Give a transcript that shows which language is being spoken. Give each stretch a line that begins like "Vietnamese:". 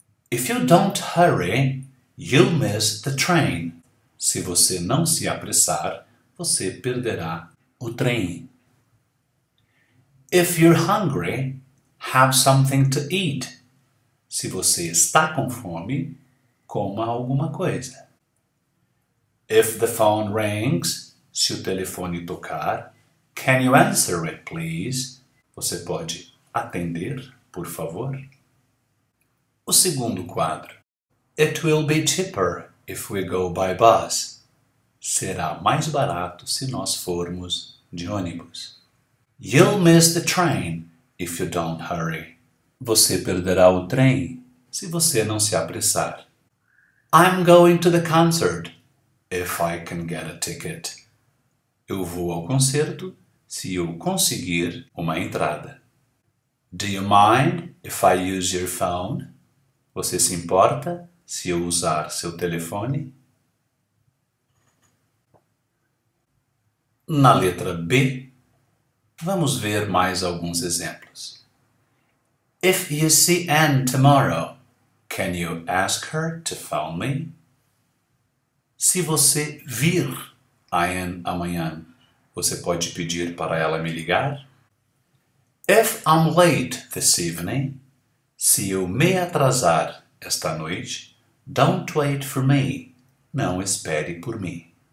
English: If you don't hurry, you'll miss the train.
Portuguese: Se você não se apressar, você perderá o trem.
English: If you're hungry, have something to eat.
Portuguese: Se você está com fome, coma alguma coisa.
English: If the phone rings,
Portuguese: se o telefone tocar,
English: can you answer it, please?
Portuguese: Você pode atender, por favor? O segundo quadro.
English: It will be cheaper if we go by bus.
Portuguese: Será mais barato se nós formos de ônibus.
English: You'll miss the train if you don't hurry.
Portuguese: Você perderá o trem se você não se apressar.
English: I'm going to the concert if I can get a ticket.
Portuguese: Eu vou ao concerto se eu conseguir uma entrada.
English: Do you mind if I use your phone?
Portuguese: Você se importa se eu usar seu telefone? Na letra B, vamos ver mais alguns exemplos.
English: If you see Anne tomorrow, can you ask her to phone me?
Portuguese: Se você vir a Anne amanhã, você pode pedir para ela me ligar?
English: If I'm late this evening,
Portuguese: se eu me atrasar esta noite,
English: don't wait for me,
Portuguese: não espere por mim.